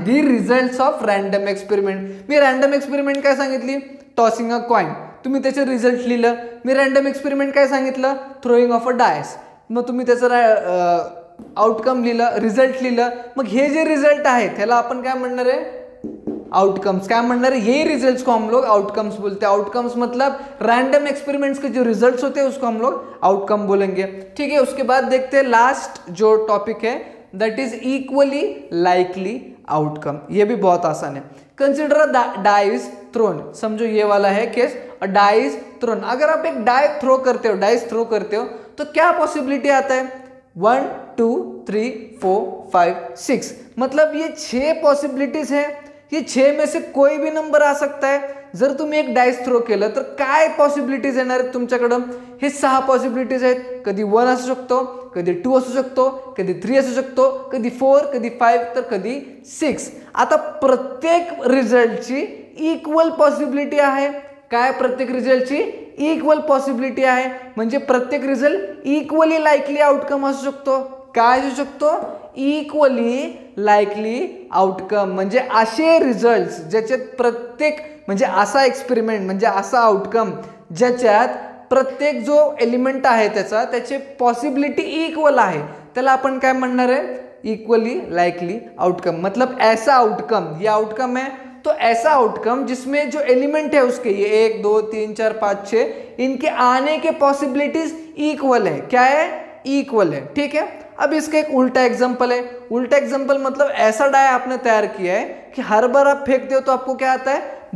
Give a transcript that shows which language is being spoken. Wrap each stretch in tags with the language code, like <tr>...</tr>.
<en>The results of random experiment.</en> <mr>मी random experiment काय सांगितली, tossing अ coin, तुम्ही त्याचे रिझल्ट लिहिलं. मी रँडम एक्सपेरिमेंट काय सांगितलं, थ्रोईंग ऑफ अ डायस, मग तुम्ही त्याचं आउटकम लिहिलं, रिझल्ट लिहिलं. मग हे जे रिझल्ट आहेत ह्याला आपण काय म्हणणार आहे, आउटकम्स काय म्हणणार आहे,</mr> <hi>यही रिझल्ट्स को हम लोग आउटकम्स बोलते हैं. आउटकम्स मतलब रैंडम एक्सपेरिमेंट्स के जो रिजल्ट्स होते हैं उसको हम लोग आउटकम बोलेंगे. ठीक है, उसके बाद देखते हैं लास्ट जो टॉपिक है,</hi> <en>That is equally likely outcome.</en> <hi>ये भी बहुत आसान है. कंसिडर डाइज थ्रोन, समझो ये वाला है केस, डाइज थ्रोन. अगर आप एक डाई थ्रो करते हो, डाइज थ्रो करते हो, तो क्या पॉसिबिलिटी आता है? 1, 2, 3, 4, 5, 6. मतलब ये 6 पॉसिबिलिटीज है, ये 6 में से कोई भी नंबर आ सकता है.</hi> <mr>जर तुम्ही एक डाइस थ्रो केलं तर काय पॉसिबिलिटीज येणार आहेत तुमच्याकडं? हे 6 पॉसिबिलिटीज आहेत. कधी 1 असू शकतो, कधी 2 असू शकतो, कधी 3 असू शकतो, कधी 4, कधी 5, तर कधी 6. आता प्रत्येक रिझल्टची इक्वल पॉसिबिलिटी आहे. काय प्रत्येक रिझल्टची? इक्वल पॉसिबिलिटी आहे. म्हणजे प्रत्येक रिझल्ट इक्वली लाईकली आउटकम असू शकतो. काय असू शकतो? Equally likely outcome. म्हणजे असे रिझल्ट ज्याच्यात प्रत्येक, म्हणजे असा एक्सपेरिमेंट, म्हणजे असा आउटकम ज्याच्यात प्रत्येक जो एलिमेंट आहे त्याचा, त्याचे पॉसिबिलिटी इक्वल आहे, त्याला आपण काय म्हणणार आहे? Equally likely outcome.</mr> <hi>मतलब ऐसा आउटकम,</hi> <mr>ही आउटकम आहे</mr> <hi>तो ऐसा आउटकम जिसमें जो एलिमेंट है उसके, ये 1, 2, 3, 4, 5, 6, इनके आने के पॉसिबिलिटीज इक्वल है. क्या है? इक्वल है. ठीक है, अब इसका एक उल्टा एग्जांपल है. उल्टा एग्जांपल मतलब ऐसा डाई आपने तैयार किया है कि हर बार आप फेंकते हो तो आपको क्या आता है?</hi>